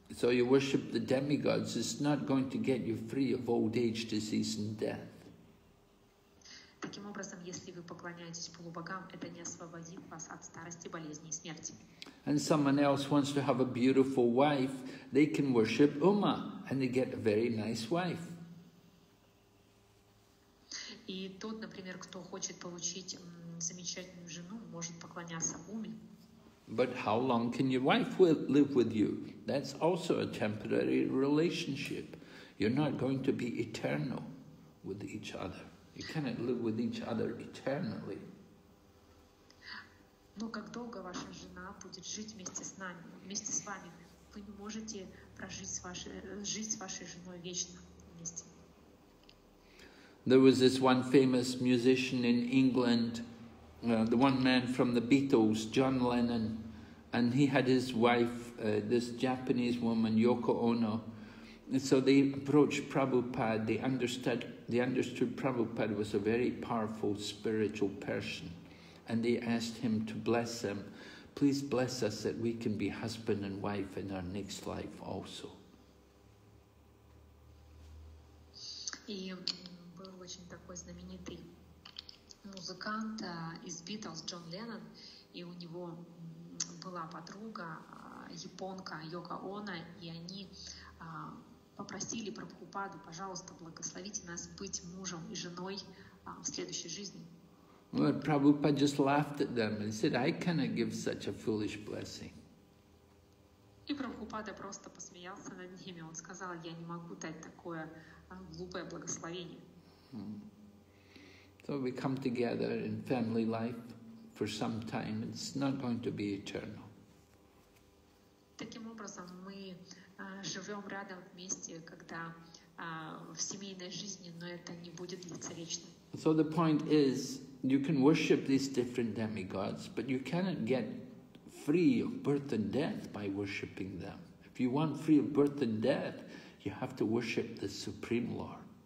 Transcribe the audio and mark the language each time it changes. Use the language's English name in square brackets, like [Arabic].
[English] So you worship the demigods, it's not going to get you free of old age, disease and death. [Russian] Таким образом, если вы поклоняетесь полубогам, это не освободит вас от старости, болезни и смерти. [English] And someone else wants to have a beautiful wife, they can worship Uma and they get a very nice wife. [Russian] И тот, например, кто хочет получить замечательную жену, может поклоняться Уме. [English] But how long can your wife live with you? That's also a temporary relationship. You're not going to be eternal with each other. You cannot live with each other eternally. [Russian] Но как долго ваша жена будет жить вместе с нами, вместе с вами? Вы не можете жить с вашей женой вечно вместе. [English] There was this one famous musician in England, the one man from the Beatles, John Lennon. And he had his wife, this Japanese woman, Yoko Ono. And so they approached Prabhupada. They understood Prabhupada was a very powerful spiritual person. And they asked him to bless them. Please bless us that we can be husband and wife in our next life also. [Russian] Была подруга японка Йоко Оно, и они попросили Прабхупаду, пожалуйста, благословите нас быть мужем и женой в следующей жизни. [English] Well, Prabhupada just laughed at them and said, I cannot give such a foolish blessing. [Russian] И Прабхупада просто посмеялся над ними. Он сказал, я не могу дать такое глупое благословение. [English] So we come together in family life for some time. It's not going to be eternal. [Russian] Таким образом, мы живем рядом вместе, когда в семейной жизни, но это не будет длиться вечно. [English] So the point is, you can worship these different demigods, but you cannot get free of birth and death by worshipping them. If you want free of birth and death, you have to worship the Supreme Lord.